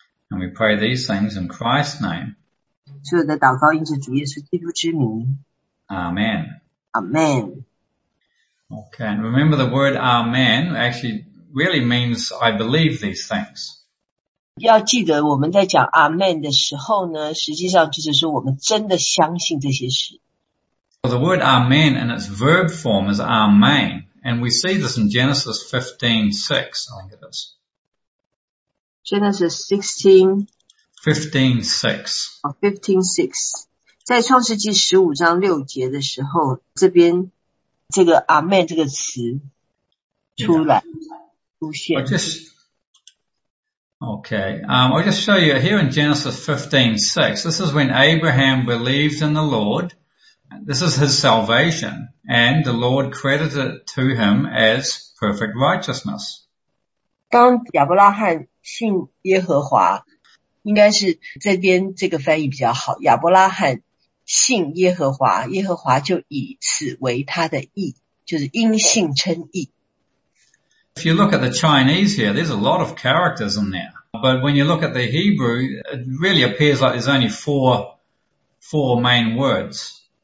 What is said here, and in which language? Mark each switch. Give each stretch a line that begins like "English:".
English: And we pray these things in Christ's name.
Chinese: 所有的祷告应着主耶稣基督之名。
English: Amen. Amen. Okay, and remember the word Amen actually really means I believe these things.
Chinese: 要记得我们在讲 Amen 的时候呢，实际上就是说我们真的相信这些事。
English: Well, the word Amen in its verb form is Amen, and we see this in Genesis 15:6, I think it is.
Chinese: Genesis 15:6，在创世纪15:6节的时候，这边这个 amen 这个词出来出现。
English: Okay, I'll just show you here in Genesis 15:6. This is when Abraham believed in the Lord. This is his salvation, and the Lord credited it to him as perfect righteousness.
Chinese: 当亚伯拉罕信耶和华。应该是这边这个翻译比较好。亚伯拉罕信耶和华，耶和华就以此为他的义，就是因信称义。
English: If you look at the Chinese here, there's a lot of characters in there. But when you look at the Hebrew, it really appears like there's only four main words.